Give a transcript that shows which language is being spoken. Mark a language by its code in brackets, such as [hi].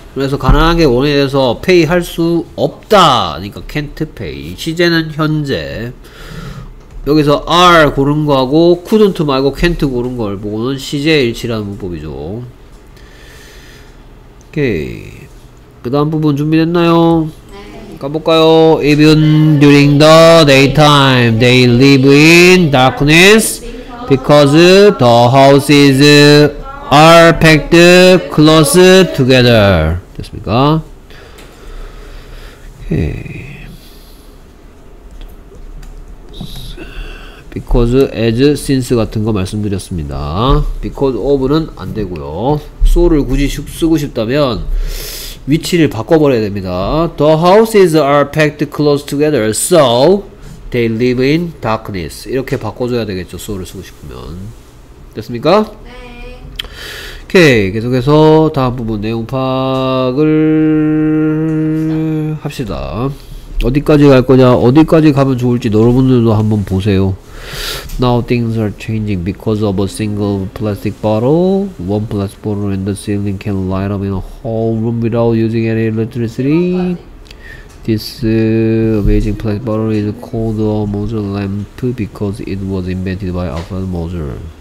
[ko] 그래서 가난하게 원해서 pay 할 수 없다. 그러니까 can't pay. 시제는 현재. 여기서 are 고른 거하고 couldn't 말고 can't 고른 걸 보고는 시제 일치라는 문법이죠. 오케이. 그 다음 부분 준비됐나요? 가볼까요? [en] Even during the daytime, they live in darkness because the houses are packed close together. [ko] 됐습니까? 오케이. Because, as, since 같은 거 말씀드렸습니다. Because of는 안 되고요. So를 굳이 쓰고 싶다면 위치를 바꿔버려야 됩니다. [en] The houses are packed close together, so they live in darkness. [ko] 이렇게 바꿔줘야 되겠죠. So를 쓰고 싶으면. 됐습니까? 오케이, 계속해서 다음 부분 내용 파악을 합시다. 어디까지 갈 거냐, 어디까지 가면 좋을지 여러분들도 한번 보세요. [en] Now things are changing because of a single plastic bottle. One plastic bottle in the ceiling can light up in a whole room without using any electricity. This amazing plastic bottle is called a Moser lamp because it was invented by Alfred Moser.